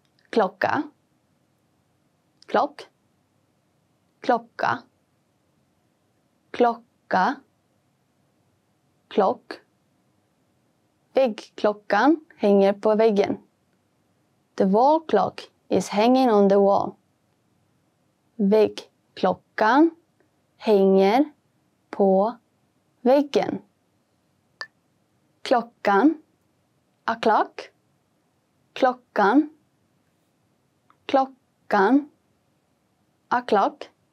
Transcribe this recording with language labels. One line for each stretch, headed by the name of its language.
Swedish: Klocka. Klock. Klocka. Klocka. Klock. Väggklockan hänger på väggen.
English: The wall clock is hanging on the wall.
Swedish: Väggklockan hänger på väggen. Klockan.
English: A clock.
Swedish: Klockan. Klockan.
English: A clock.